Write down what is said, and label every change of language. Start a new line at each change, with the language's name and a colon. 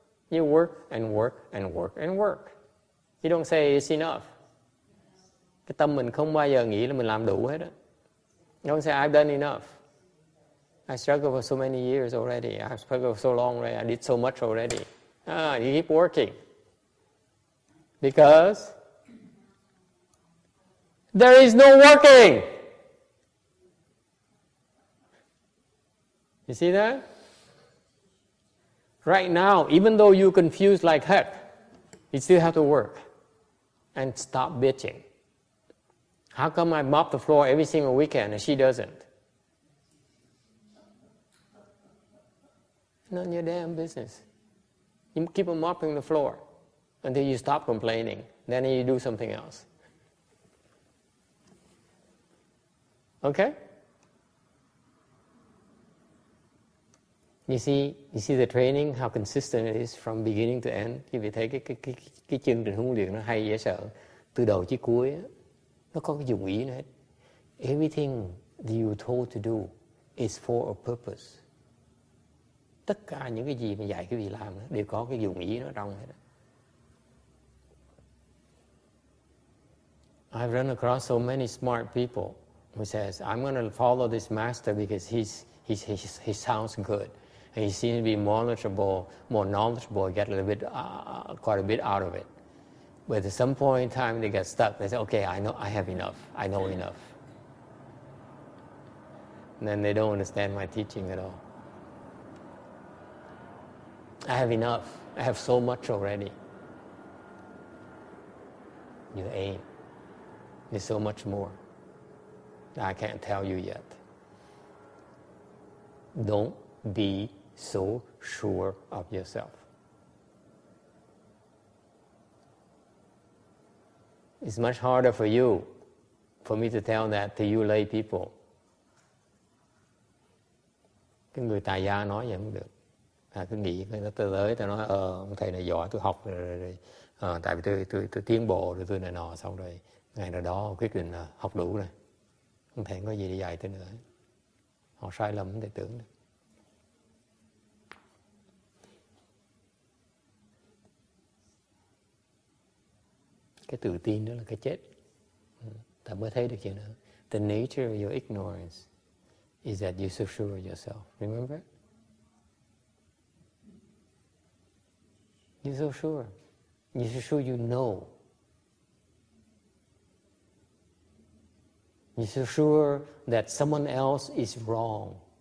English: You work and work and work and work. You don't say it's enough.
Vietnamese: Cái tâm mình không bao giờ nghĩ là mình làm đủ hết á.
English: Don't say, I've done enough. I struggled for so many years already. I've struggled for so long already. I did so much already. Ah, you keep working. Because there is no working. You see that? Right now, even though you're confused like heck, you still have to work. And stop bitching. How come I mop the floor every single weekend and she doesn't? None of your damn business. You keep on mopping the floor until you stop complaining. Then you do something else. Okay? You see the training, how consistent it is from beginning to end?
Vietnamese: Quý vị thấy cái chương trình huấn luyện nó hay dễ sợ. Từ đầu chí cuối á. Nó có cái dụng ý nữa hết.
English: Everything that you're told to do is for a purpose.
Vietnamese: Tất cả những cái gì mà dạy cái gì làm đó, đều có cái dụng ý nó trong hết.
English: I've run across so many smart people who says, I'm going to follow this master because he sounds good. And he seems to be more knowledgeable, get a little bit, quite a bit out of it. But at some point in time, they get stuck. They say, okay, I know, I have enough. I know enough. And then they don't understand my teaching at all. I have enough. I have so much already. You ain't. There's so much more that I can't tell you yet. Don't be so sure of yourself. It's much harder for you, for me to tell that to you lay people.
Vietnamese: Cái người tài gia nói vậy không được. À, cứ nghĩ người ta tới, ta nói, ông thầy này giỏi, tôi học rồi. À, tại vì tôi tiến bộ rồi, tôi này nọ xong rồi. Ngày nào đó, quyết định là học đủ rồi. Không thể có gì để dạy tôi nữa. Họ sai lầm, không thể tưởng được. Cái tự tin đó là cái chết. Ta mới thấy được chuyện đó.
English: The nature of your ignorance is that you're so sure of yourself. Remember? You're so sure. You're so sure you know. You're so sure that someone else is wrong.